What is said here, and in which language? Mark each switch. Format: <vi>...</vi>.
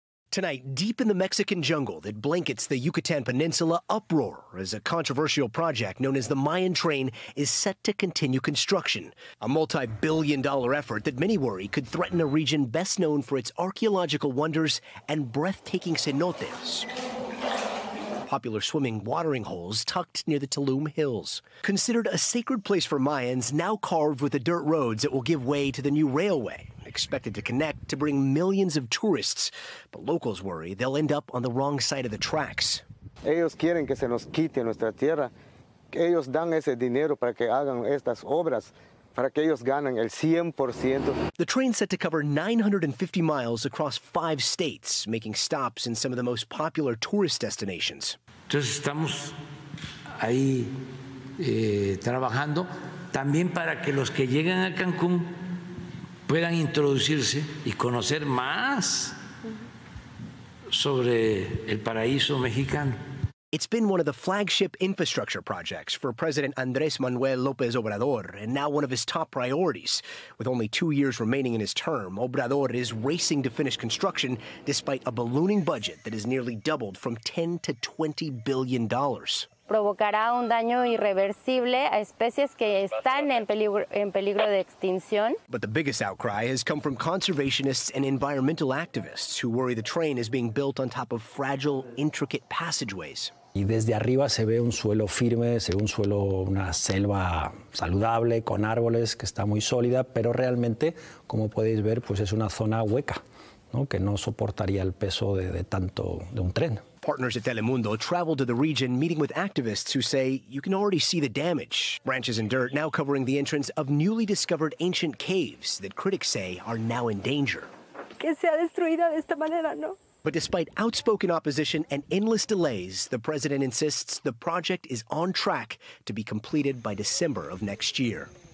<en>Tonight, deep in the Mexican jungle that blankets the Yucatan Peninsula, uproar as a controversial project known as the Mayan Train is set to continue construction, a multi-billion dollar effort that many worry could threaten a region best known for its archaeological wonders and breathtaking cenotes, popular swimming watering holes tucked near the Tulum Hills. Considered a sacred place for Mayans, now carved with the dirt roads that will give way to the new railway, expected to connect to bring millions of tourists. But locals worry they'll end up on the wrong side of the tracks.</en> <es>Ellos quieren que se nos quite nuestra tierra. Ellos dan ese dinero para que hagan estas obras, para que ellos ganen el 100%.</es> <en>The train's set to cover 950 miles across five states, making stops in some of the most popular tourist destinations.</en> <es>Entonces estamos ahí trabajando también para que los que llegan a Cancún puedan introducirse y conocer más sobre el paraíso mexicano.</es> <en>It's been one of the flagship infrastructure projects for President Andrés Manuel López Obrador, and now one of his top priorities. With only 2 years remaining in his term, Obrador is racing to finish construction despite a ballooning budget that has nearly doubled from $10 to $20 billion.</en> <es>Provocará un daño irreversible a especies que están en peligro de extinción.</es> <en>But the biggest outcry has come from conservationists and environmental activists who worry the train is being built on top of fragile, intricate passageways.</en> <es>Y desde arriba se ve un suelo firme, se ve un suelo, una selva saludable, con árboles, que está muy sólida, pero realmente, como podéis ver, pues es una zona hueca, ¿no? Que no soportaría el peso de tanto de un tren.</es> <en>Partners at Telemundo traveled to the region meeting with activists who say you can already see the damage. Branches and dirt now covering the entrance of newly discovered ancient caves that critics say are now in danger.</en> <es>Que sea destruida de esta manera, ¿no?</es> <en>But despite outspoken opposition and endless delays, the president insists the project is on track to be completed by December of next year.</en>